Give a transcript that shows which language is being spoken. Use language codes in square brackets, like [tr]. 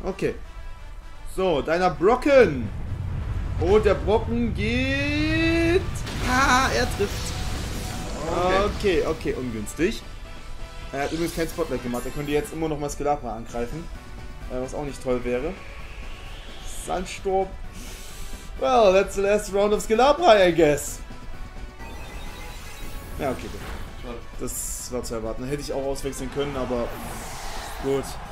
[de] Okay. So, deiner Brocken. Und der Brocken geht. Er trifft. Okay, ungünstig. Er hat übrigens kein Spotlight gemacht, er könnte jetzt immer noch mal Skelapa angreifen. Was auch nicht toll wäre. Sandsturm. [en] Well, that's the last round of Skelapa, I guess. [de] Ja, okay. Gut. Das war zu erwarten. Hätte ich auch auswechseln können, aber gut.